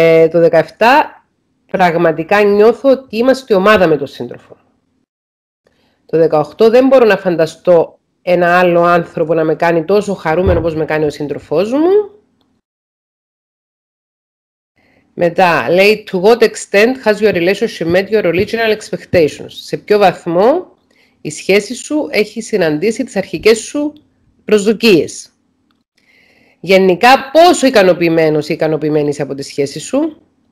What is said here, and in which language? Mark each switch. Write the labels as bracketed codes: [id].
[el] Το 17, πραγματικά νιώθω ότι είμαστε ομάδα με τον σύντροφο. Το 18, δεν μπορώ να φανταστώ ένα άλλο άνθρωπο να με κάνει τόσο χαρούμενο όπως με κάνει ο σύντροφός μου. Μετά, λέει, [en] to what extent has your relationship met your original expectations? [el] Σε ποιο βαθμό η σχέση σου έχει συναντήσει τις αρχικές σου προσδοκίες? Γενικά, πόσο ικανοποιημένος ή ικανοποιημένης από τη σχέση σου?